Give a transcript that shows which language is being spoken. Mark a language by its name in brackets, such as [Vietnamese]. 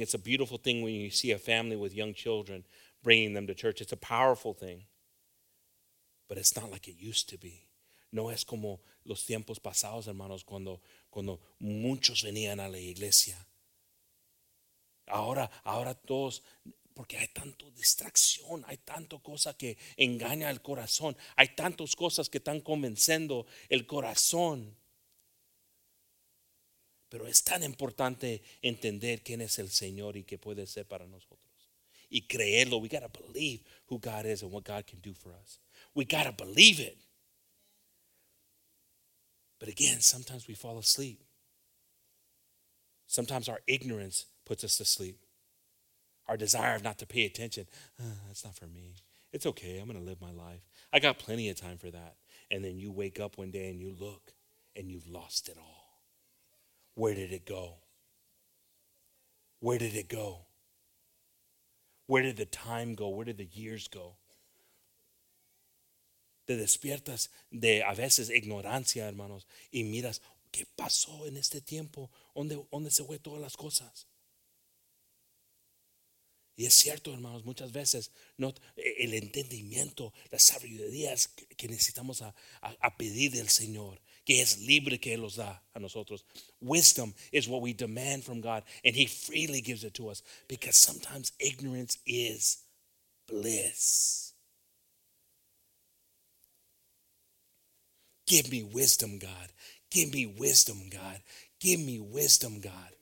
[English] It's a beautiful thing when you see a family with young children bringing them to church. It's a powerful thing. But it's not like it used to be. [Spanish] No es como los tiempos pasados, hermanos, cuando muchos venían a la iglesia. Ahora todos, porque hay tanto distracción, hay tanto cosa que engaña el corazón. Hay tantas cosas que están convenciendo el corazón. Pero es tan importante entender quién es el Señor y qué puede ser para nosotros. Y creerlo. [English] We got to believe who God is and what God can do for us. We got to believe it. But again, sometimes we fall asleep. Sometimes our ignorance puts us to sleep. Our desire not to pay attention. That's not for me. It's okay. I'm going to live my life. I got plenty of time for that. And then you wake up one day and you look and you've lost it all. Where did it go? Where did it go? Where did the time go? Where did the years go? [Spanish] Te despiertas de a veces ignorancia, hermanos, y miras, ¿qué pasó en este tiempo? ¿Dónde se fue todas las cosas? Y es cierto, hermanos, muchas veces no, el entendimiento, la sabiduría que necesitamos a pedir del Señor, que es libre que Él nos da a nosotros. [English] Wisdom is what we demand from God, and He freely gives it to us, because sometimes ignorance is bliss. Give me wisdom, God. Give me wisdom, God. Give me wisdom, God. Amen.